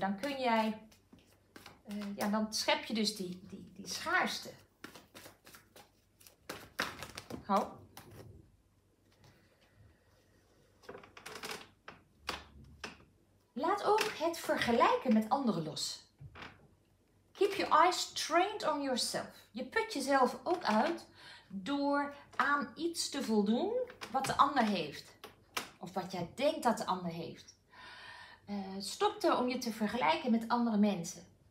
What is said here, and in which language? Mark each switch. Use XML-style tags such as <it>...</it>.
<nl>Dan kun jij, dan schep je dus die schaarste. Ho. Laat ook het vergelijken met anderen los.</nl> <en>Keep your eyes trained on yourself.</en> <nl>Je put jezelf ook uit door aan iets te voldoen wat de ander heeft. Of wat jij denkt dat de ander heeft. Stop er om je te vergelijken met andere mensen.</nl>